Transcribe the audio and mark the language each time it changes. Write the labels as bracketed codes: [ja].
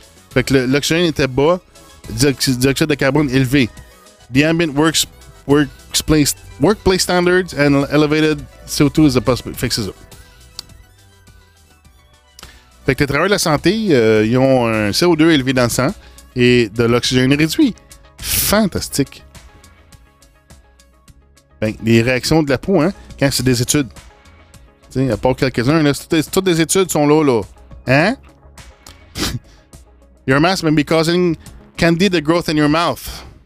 [fr] Fait que l'oxygène était bas, dioxyde de carbone élevé. [en] The ambient workplace standards and elevated CO2 is a possible. [fr] Fait que c'est ça. Fait que les travailleurs de la santé, ils ont un CO2 élevé dans le sang et de l'oxygène réduit. Fantastique. Ben, les réactions de la peau, hein, quand c'est des études. Tu sais, à part quelques-uns, là, toutes les études sont là, là. Hein? [en] Your mask may be causing candida growth in your mouth.